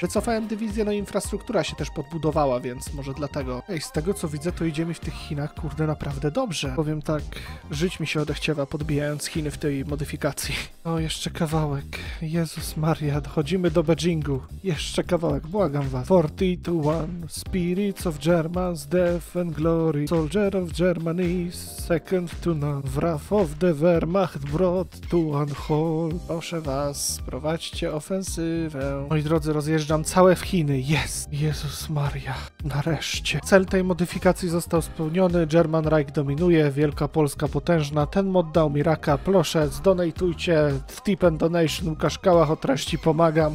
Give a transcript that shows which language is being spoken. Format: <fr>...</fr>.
<pl>Wycofałem dywizję, no infrastruktura się też podbudowała, więc może dlatego. Ej, z tego co widzę, to idzie mi w tych Chinach, kurde, naprawdę dobrze. Powiem tak, żyć mi się odechciewa, podbijając Chiny w tej modyfikacji. O, jeszcze kawałek. Jezus Maria, dochodzimy do Beijingu. Jeszcze kawałek, błagam was.</pl> <en>42-1, Spirits of Germans, Death and Glory, Soldier of Germany, Second to None, Wrath of the Wehrmacht, Brought to an Halt.</en> <pl>Proszę was, prowadźcie ofensywę. Moi drodzy, rozjeżdżam całe w Chiny, jest. Jezus Maria, nareszcie. Cel tej modyfikacji został spełniony, German Reich dominuje, Wielka Polska potężna, ten mod dał mi raka, proszę, zdonatujcie,</pl> <en>tip and donation,</en> <pl>Łukasz Kałach o treści pomagam.</pl>